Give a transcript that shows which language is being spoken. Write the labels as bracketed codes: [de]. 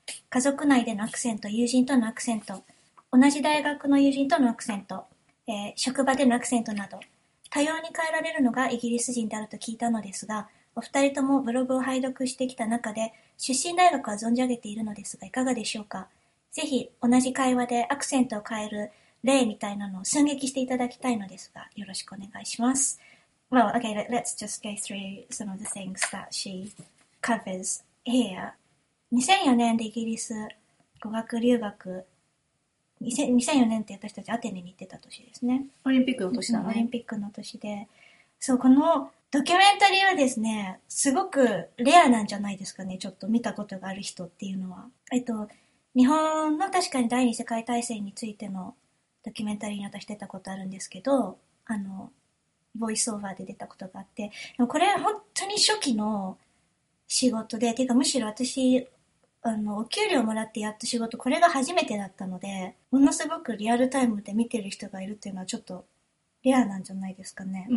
[ja] 家族内でのアクセント、友人とのアクセント、同じ大学の友人とのアクセント、職場でのアクセントなど多様に変えられるのがイギリス人であると聞いたのですが、お二人ともブログを拝読してきた中で出身大学は存じ上げているのですが、いかがでしょうか。ぜひ同じ会話でアクセントを変える例みたいなのを寸劇していただきたいのですが、よろしくお願いします。 [en] Well, okay, let's just go through some of the things that she covers here. [ja] 2004年でイギリス語学留学、2004年って私たちアテネに行ってた年ですね。オリンピックの年だね。オリンピックの年で。そう、このドキュメンタリーはですね、すごくレアなんじゃないですかね。ちょっと見たことがある人っていうのは。日本の確かに第二次世界大戦についてのドキュメンタリーに私出たことあるんですけど、ボイスオーバーで出たことがあって、でもこれは本当に初期の仕事で、てかむしろ私、お給料もらってやった仕事、これが初めてだったので、ものすごくリアルタイムで見てる人がいるっていうのはちょっとレアなんじゃないですかね。